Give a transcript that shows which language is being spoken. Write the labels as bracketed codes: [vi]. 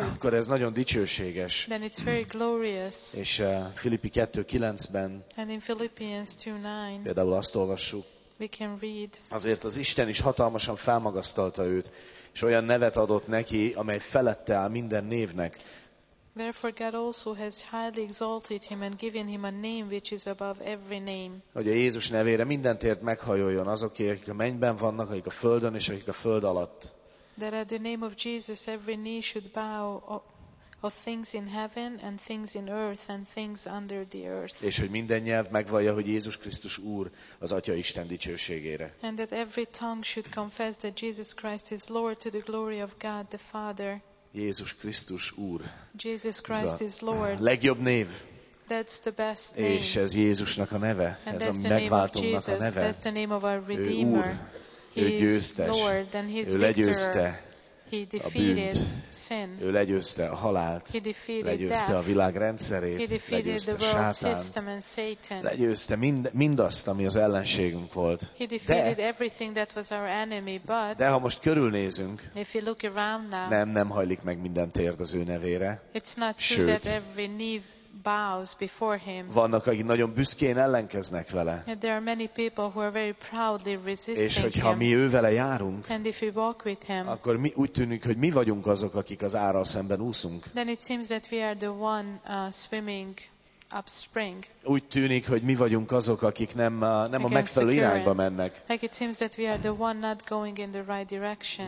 [hu] akkor ez nagyon dicsőséges. [en] Then it's very glorious. [hu] És Filippi 2:9-ben, [en] and in Philippians 2:9, [hu] például azt olvassuk, [en] we can read, [hu] azért az Isten is hatalmasan felmagasztalta őt, és olyan nevet adott neki, amely felette áll minden névnek. [en] Therefore God also has highly exalted him and given him a name which is above every name. [hu] Hogy a Jézus nevére mindentért meghajoljon azok, akik a mennyben vannak, akik a földön és akik a föld alatt. [en] That at the name of Jesus every knee should bow of things in heaven and things in earth and things under the earth. [hu] És hogy minden nyelv megvallja, hogy Jézus Krisztus Úr, az Atya Isten dicsőségére. [en] And that every tongue should confess that Jesus Christ is Lord to the glory of God the Father. [hu] Jézus Krisztus Úr. [en] Jesus Christ is Lord. [hu] Legjobb név. [en] That's the best name. [hu] És ez Jézusnak a neve, [en] and [hu] ez a megváltónak a neve. [en] That's the name of our Redeemer. [hu] Ő győztes. [en] Lord, and his [hu] ő legyőzte a bűnt. Sin. Ő legyőzte a halált. [en] He defeated [hu] legyőzte [en] death, [hu] a világ rendszerét. [en] He defeated [hu] legyőzte [en] the world [hu] Sátán, [en] system and Satan. [hu] Legyőzte mindazt, ami az ellenségünk volt. [en] He defeated everything that was our enemy, but [hu] de ha most körülnézünk, [en] if you look around now, [hu] nem hajlik meg minden térd az ő nevére. [en] It's not true, sőt, that every knee bows before him. [hu] Vannak, akik nagyon büszkén ellenkeznek vele. [en] And there are many people who are very proudly resisting him. [hu] És hogyha mi ővele járunk, [en] and if we walk with him, [hu] akkor mi úgy tűnik, hogy mi vagyunk azok, akik az árral szemben úszunk. [en] Then it seems that we are the one swimming upspring. [hu] Úgy tűnik, hogy mi vagyunk azok, akik nem a megfelelő irányba mennek. [en] Like it seems that we are the one not going in the right direction.